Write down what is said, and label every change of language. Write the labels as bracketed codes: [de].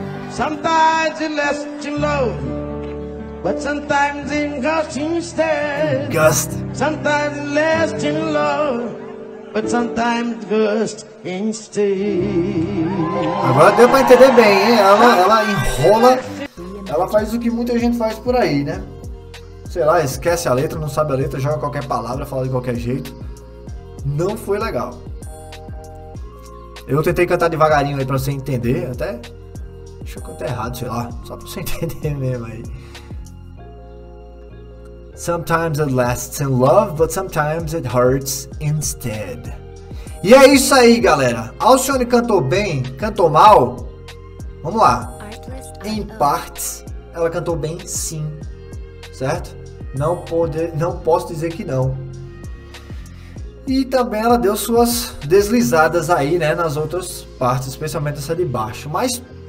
[en] Sometimes it lasts in love, but sometimes in gust instead. Gust. Sometimes it lasts in love, but sometimes gust instead. [pt] Agora deu pra entender bem, hein? Ela enrola, ela faz o que muita gente faz por aí, né? Sei lá, esquece a letra, não sabe a letra, joga qualquer palavra, fala de qualquer jeito. Não foi legal. Eu tentei cantar devagarinho aí pra você entender, até... Deixa eu cantar errado, sei lá, só pra você entender mesmo aí. [en] Sometimes it lasts in love, but sometimes it hurts instead. [pt] E é isso aí, galera. Alcione cantou bem, cantou mal? Vamos lá. Em partes, ela cantou bem sim, certo? Não posso dizer que não. E também ela deu suas deslizadas aí, né, nas outras partes, especialmente essa de baixo, mas...